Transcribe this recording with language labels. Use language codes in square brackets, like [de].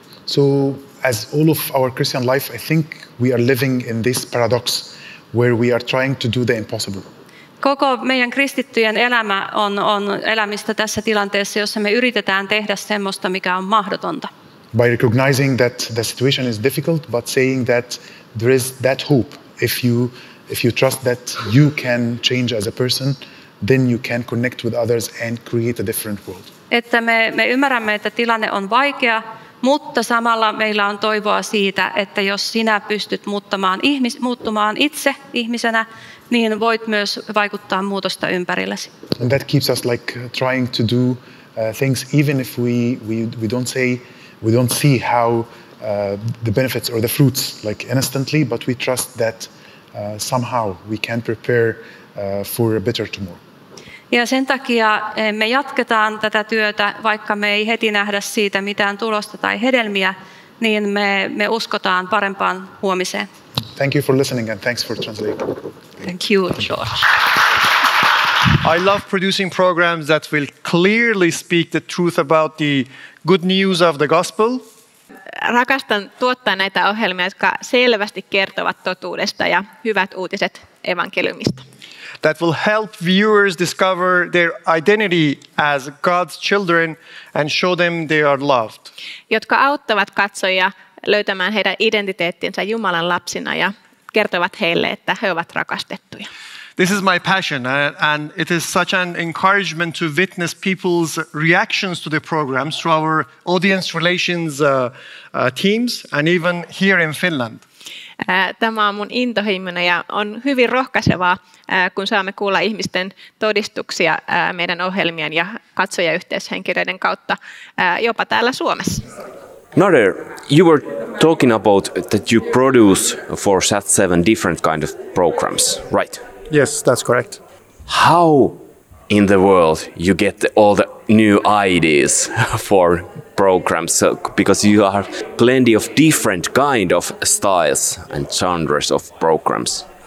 [en] So as all of our Christian life, I think we are living in this paradox where we are trying to do the impossible. [fi] Koko meidän kristittyjen elämä on elämistä tässä tilanteessa, jossa me yritetään tehdä semmoista, mikä on mahdotonta. [en] By recognizing that the situation is difficult, but saying that there is that hope. If you trust that you can change as a person, then you can connect with others and create a different world. [fi] Että me ymmärrämme, että tilanne on vaikea, mutta samalla meillä on toivoa siitä, että jos sinä pystyt muuttumaan itse ihmisenä, niin voit myös vaikuttaa muutosta ympärillesi. [en] And that keeps us like trying to do things even if we don't say we don't see how the benefits or the fruits like instantly, but we trust that somehow we can prepare for a better tomorrow. [fi] Ja sen takia me jatketaan tätä työtä, vaikka me ei heti nähdä siitä mitään tulosta tai hedelmiä, niin me uskotaan parempaan huomiseen. [en] Thank you for listening and thanks for translating. Thank you, George. I love producing programs that will clearly speak the truth about the good news of the gospel. [fi] Rakastan tuottaa näitä ohjelmia, jotka selvästi kertovat totuudesta ja hyvät uutiset evankeliumista. [en] That will help viewers discover their identity as God's children and show them they are loved. [fi] Jotka auttavat katsojia löytämään heidän identiteettinsä Jumalan lapsina ja kertovat heille, että he ovat rakastettuja. [en] This is my passion, and it is such an encouragement to witness people's reactions to the programs through our audience relations teams and even here in Finland. [fi] Tämä on mun intohimoni ja on hyvin rohkaisevaa, kun saamme kuulla ihmisten todistuksia meidän ohjelmien ja katsojayhteyshenkilöiden kautta jopa täällä Suomessa. [en] Nader, you were talking about that you produce for SAT7 different kind of programs, right? Yes, that's correct. How in the world you get all the new ideas for programs? So, because you have plenty of different kind of styles and genres of programs.